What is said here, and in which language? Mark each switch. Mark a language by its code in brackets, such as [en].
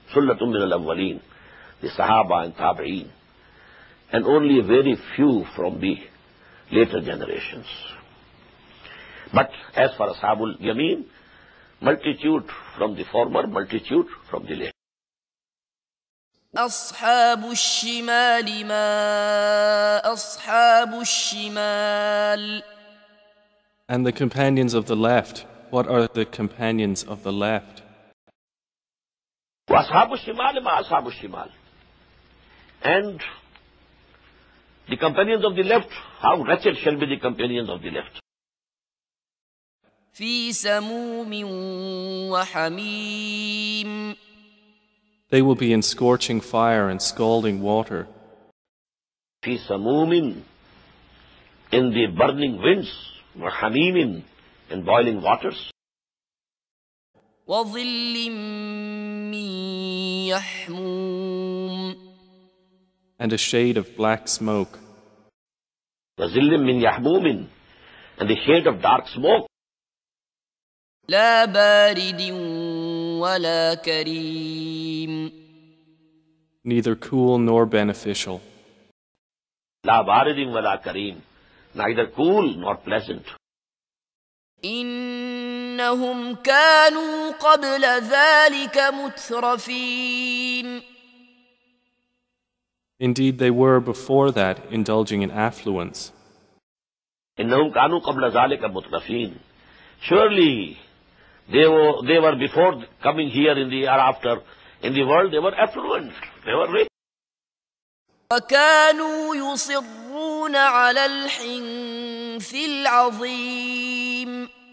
[ar] سُلَّةٌ مِنَ الْأَوَّلِينَ. [en] The Sahaba and Tabi'een. And only very few from the later generations. But as for Ashabul Yameen, multitude from the former, multitude from the later. [ar] أصحاب الشمال ما أصحاب الشمال. [en] And the companions of the left, what are the companions of the left? [ar] وأصحاب الشمال ما أصحاب الشمال. [en] And the companions of the left, how wretched shall be the companions of the left? [ar] في سموم وحميم. [en] They will be in scorching fire and scalding water. [ar] في سموم, [en] in the burning winds, [ar] وحميم, [en] in boiling waters. [ar] وظل من يحموم. [en] And a shade of black smoke. [ar] وظل من يحموم, [en] and the shade of dark smoke. [ar] لا بارد ولا كريم. [en] Neither cool nor beneficial. [ar] لا بارد ولا كريم. [en] Neither cool nor pleasant. [ar] إنهم كانوا قبل ذلك مترفين. [en] Indeed they were before that indulging in affluence. [ar] إنهم كانوا قبل ذلك مترفين. [en] Surely They were before coming here in the year after in the world, they were affluent, they were rich. [ar] وَكَانُوا يُصِرُّونَ عَلَى الْحِنْثِ الْعَظِيمِ.